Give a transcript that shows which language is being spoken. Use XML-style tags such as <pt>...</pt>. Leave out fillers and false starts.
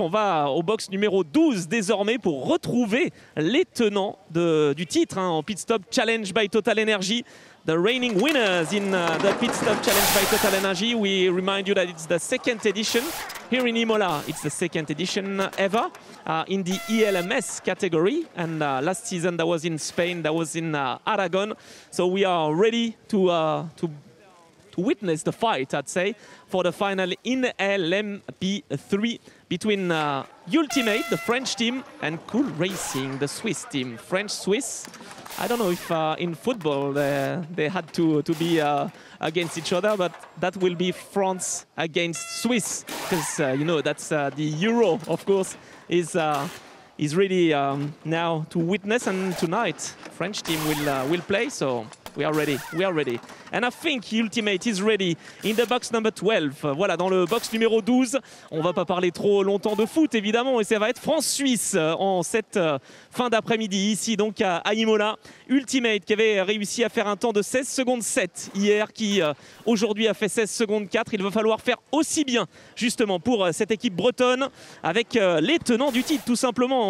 <fr>On va au box numéro 12 désormais pour retrouver les tenants du titre hein, en Pit Stop Challenge by TotalEnergies.</fr> <en>The reigning winners in the Pit Stop Challenge by TotalEnergies. We remind you that it's the second edition here in Imola. It's the second edition ever in the ELMS category. And last season that was in Spain, that was in Aragon. So we are ready to witness the fight, I'd say, for the final in LMP3 between Ultimate, the French team, and Cool Racing, the Swiss team. French-Swiss, I don't know if in football they had to be against each other, but that will be France against Swiss, because, you know, that's the Euro, of course, is really now to witness, and tonight French team will play, so we are ready, we are ready. And I think Ultimate is ready in the box number 12.</en> <fr>Voilà, dans le box numéro 12, on va pas parler trop longtemps de foot, évidemment, et ça va être France-Suisse en cette fin d'après-midi, ici donc à Imola. Ultimate qui avait réussi à faire un temps de 16 secondes 7 hier, qui aujourd'hui a fait 16 secondes 4. Il va falloir faire aussi bien, justement, pour cette équipe bretonne, avec les tenants du titre, tout simplement.</fr>